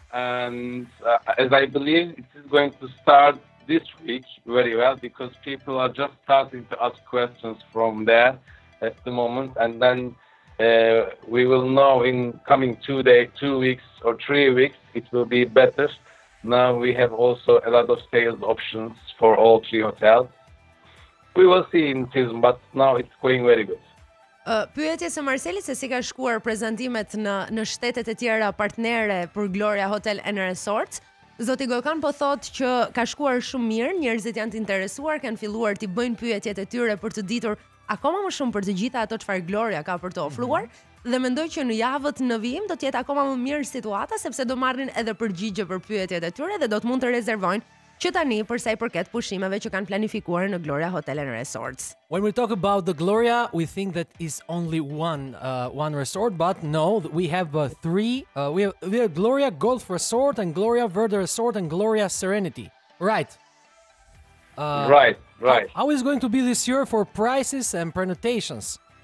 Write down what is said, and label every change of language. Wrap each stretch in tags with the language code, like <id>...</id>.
<en>And as I believe, it is going to start this week very well because people are just starting to ask questions from there at the moment. And then we will know in coming 2 days, 2 weeks or 3 weeks, it will be better. Now we have also a lot of sales options for all three hotels. We will see in season, but now it's going very good.</en> <sq>Pyetje se Marseli se si ka shkuar prezentimet në shtetet e tjera partnere për Gloria Hotel and Resort. Zoti Gökhan po thot që ka shkuar shumë mirë, njerëzit janë të interesuar, kanë filluar të bëjnë pyetjet e tyre për të ditur akoma më shumë për të gjitha ato çfarë Gloria ka për të ofruar. Dhe mendoj që në javët në vijim do të jetë akoma më mirë situata sepse do marrin edhe përgjigje për pyetjet e tyre dhe do të mund të rezervojnë që tani përsa I përket pushimeve që kanë planifikuar në Gloria Hotel and Resorts.</sq> <en>When we talk about the Gloria, we think that is only one resort, but no, we have three. We have Gloria Golf Resort and Gloria Verde Resort and Gloria Serenity. Right. Right. How is going to be this year for prices and prenotations?</en>